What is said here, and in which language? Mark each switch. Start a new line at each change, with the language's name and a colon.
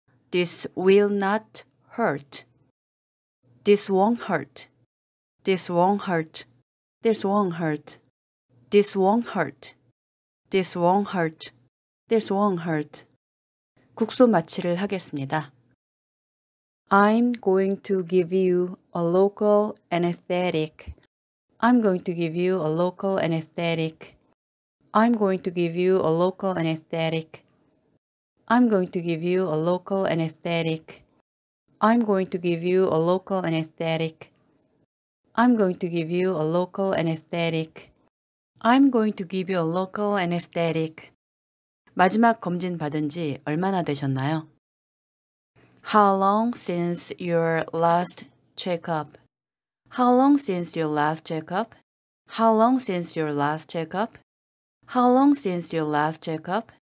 English: This will not hurt. This won't hurt. This won't hurt. This won't hurt. This won't hurt. This won't hurt. This won't hurt.
Korean: 국소 마취를 하겠습니다.
English: I'm going to give you a local anesthetic. I'm going to give you a local anesthetic. I'm going to give you a local anesthetic. I'm going to give you a local anesthetic. I'm going to give you a local anesthetic. I'm going to give you a local anesthetic. I'm going to give you a local anesthetic.
Korean: 마지막 검진 받은 지 얼마나 되셨나요?
English: How long since your last checkup? How long since your last checkup? How long since your last checkup? How long since your last checkup?